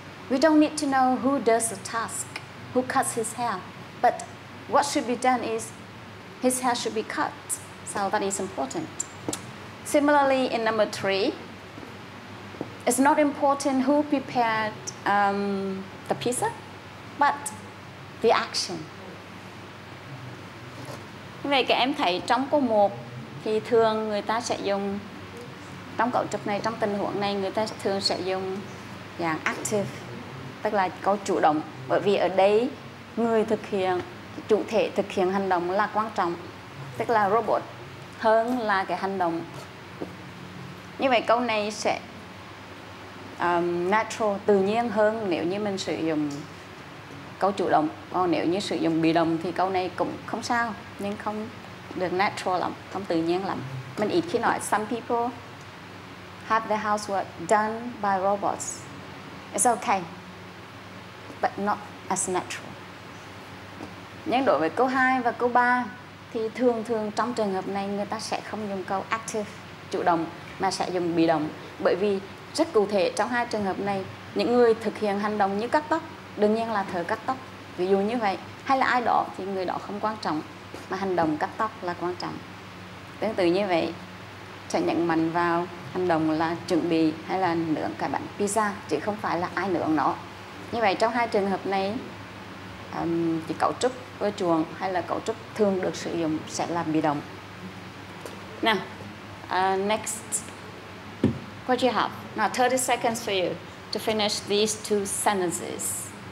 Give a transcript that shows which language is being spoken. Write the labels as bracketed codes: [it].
[en] We don't need to know who does the task, who cuts his hair, but what should be done is his hair should be cut, so that is important. Similarly, in number three, it's not important who prepared the pizza, but the action. [vi] Vậy các em thấy trong câu 1 thì thường người ta sẽ dùng, trong cấu trúc này, trong tình huống này, người ta thường sẽ dùng dạng active, tức là câu chủ động. Bởi vì ở đây người thực hiện, chủ thể thực hiện hành động là quan trọng, tức là robot hơn là cái hành động. Như vậy câu này sẽ natural, tự nhiên hơn nếu như mình sử dụng câu chủ động. Còn nếu như sử dụng bị động thì câu này cũng không sao, nhưng không được natural lắm, không tự nhiên lắm. Mình ít khi nói [en] some people have the housework done by robots. It's okay, but not as natural. [vi] Nhưng đối với câu 2 và câu 3 thì thường thường trong trường hợp này người ta sẽ không dùng câu active, chủ động, mà sẽ dùng bị động. Bởi vì rất cụ thể trong hai trường hợp này, những người thực hiện hành động như cắt tóc đương nhiên là thợ cắt tóc, ví dụ như vậy. Hay là ai đó thì người đó không quan trọng, mà hành động cắt tóc là quan trọng. Tương tự như vậy, sẽ nhận mạnh vào hành động là chuẩn bị hay là nướng cái bánh pizza, chứ không phải là ai nướng nó. Như vậy trong hai trường hợp này, chỉ cấu trúc ưa chuộng hay là cấu trúc thường được sử dụng sẽ là bị động. [en] Now, next, what do you have? Now 30 seconds for you to finish these two sentences.